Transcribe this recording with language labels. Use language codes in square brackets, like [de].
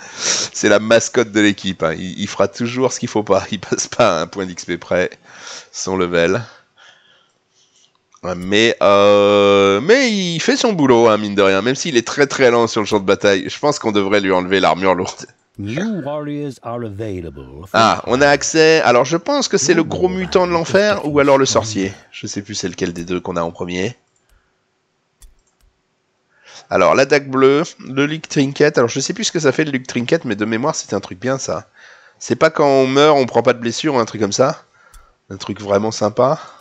[fr] C'est la mascotte de l'équipe. Hein. Il fera toujours ce qu'il faut pas. Il passe pas à un point d'XP près. Son level. Mais il fait son boulot, hein, mine de rien. Même s'il est très très lent sur le champ de bataille. Je pense qu'on devrait lui enlever l'armure lourde. [en] New warriors are available. [fr] Ah, on a accès. Alors, je pense que c'est le gros mutant de l'enfer ou alors le sorcier. Je sais plus c'est lequel des deux qu'on a en premier. Alors, la dague bleue, le Luc Trinket. Alors, je sais plus ce que ça fait le Luc Trinket, mais de mémoire, c'était un truc bien, ça. C'est pas quand on meurt, on prend pas de blessure ou un truc comme ça. Un truc vraiment sympa.